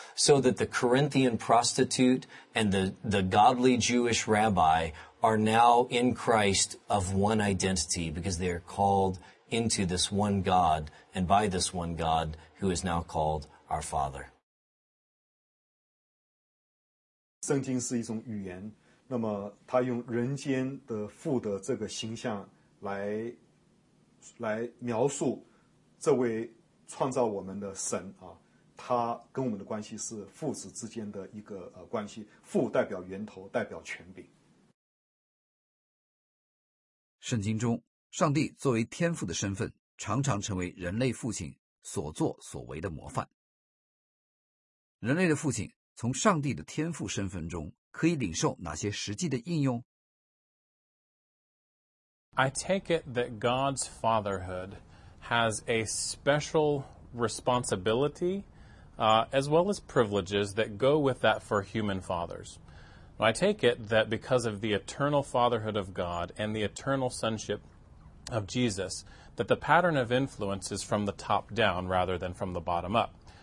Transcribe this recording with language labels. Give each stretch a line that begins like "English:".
English: So that the Corinthian prostitute and the godly Jewish rabbi are now in Christ of one identity because they are called into this one God, and by this one God, who is now called our Father.
Chinese: 圣经是一种语言, 那么他用人间的父的这个形象 来描述这位创造我们的神, 他跟我们的关系是父子之间的一个关系, 父代表源头, 代表权柄。圣经中, 上帝作为天父的身份，常常成为人类父亲所作所为的模范。人类的父亲从上帝的天父身份中可以领受哪些实际的应用？
English: I take it that God's fatherhood has a special responsibility, as well as privileges that go with that for human fathers. I take it that because of the eternal fatherhood of God and the eternal sonship of Jesus, that the pattern of influence is from the top down rather than from the bottom up.